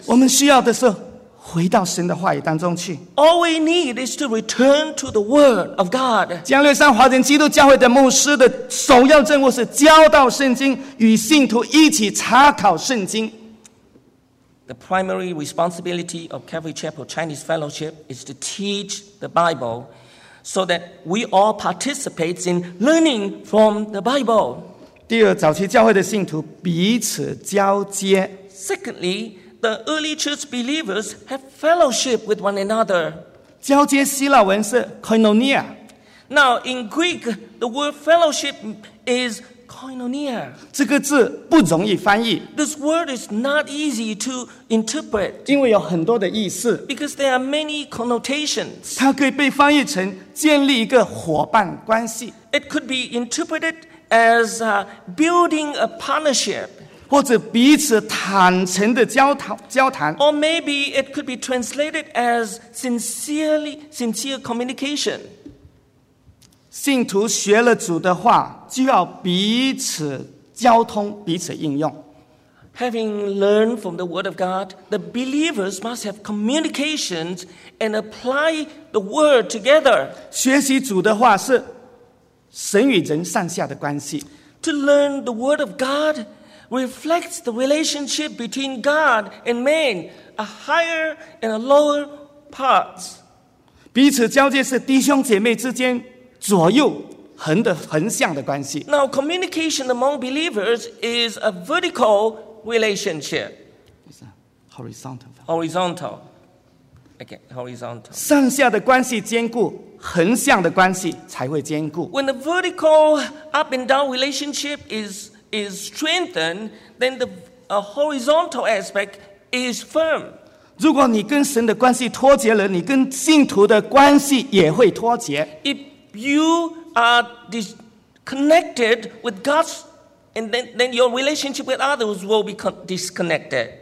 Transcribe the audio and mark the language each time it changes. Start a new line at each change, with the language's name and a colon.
Chinese: 我们需要的是回到神的话语当中去。
English: All we need is to return to the Word of God.
Chinese: 加略山华人基督教会的牧师的首要任务是教导圣经，与信徒一起查考圣经。
English: The primary responsibility of Calvary Chapel Chinese Fellowship is to teach the Bible, so that we all participate in learning from the Bible.
Chinese: 第二，早期教会的信徒彼此交接。
English: Secondly. The early church believers have fellowship with one another.
Chinese: 交接希腊文是 koinonia.
English: Now, in Greek, the word fellowship is koinonia.
Chinese: 这个字不容易翻译。
English: This word is not easy to interpret.
Chinese: 因为有很多的意思。
English: Because there are many connotations.
Chinese: 它可以被翻译成建立一个伙伴关系。
English: It could be interpreted as building a partnership.
Chinese: 或者彼此坦诚的交谈
English: Or maybe it could be translated as sincere communication.
Chinese: 信徒学了主的话，就要彼此交通，彼此应用。
English: Having learned from the Word of God, the believers must have communications and apply the Word together.
Chinese: 学习主的话是神与人上下的关系。
English: To learn the Word of God reflects the relationship between God and man, a higher and a lower parts.
Chinese: 彼此交接是弟兄姐妹之间左右横向的关系。
English: Now, communication among believers is a vertical relationship. Horizontal. Okay, horizontal.
Chinese: 上下的关系坚固，横向的关系才会坚固。
English: When the vertical up and down relationship is strengthened, then the horizontal aspect is firm.
Chinese: 如果你跟神的关系脱节了，你跟信徒的关系也会脱节。
English: If you are disconnected with God's, and then your relationship with others will be disconnected.